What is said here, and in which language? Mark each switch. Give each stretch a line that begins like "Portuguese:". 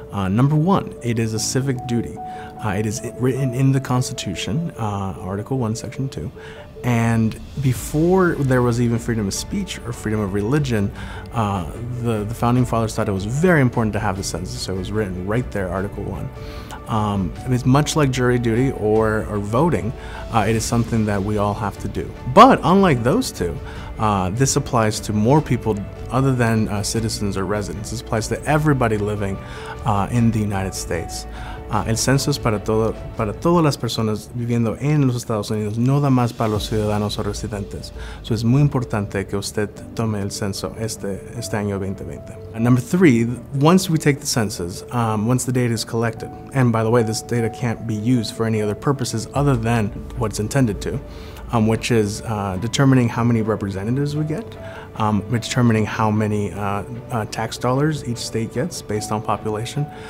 English: Number one, it is a civic duty. It is written in the Constitution, Article 1, Section 2, and before there was even freedom of speech or freedom of religion, the Founding Fathers thought it was very important to have the census, so it was written right there, Article 1. And it's much like jury duty or voting, it is something that we all have to do. But unlike those two, this applies to more people other than citizens or residents. This applies to everybody living in the United States.
Spanish: El census para todas las personas viviendo en los Estados Unidos, no da más para los ciudadanos o residentes. So es muy importante que usted tome el censo este año 2020.
English: And number three, once we take the census, once the data is collected, and by the way, this data can't be used for any other purposes other than what it's intended to, which is determining how many representatives we get, determining how many tax dollars each state gets based on population.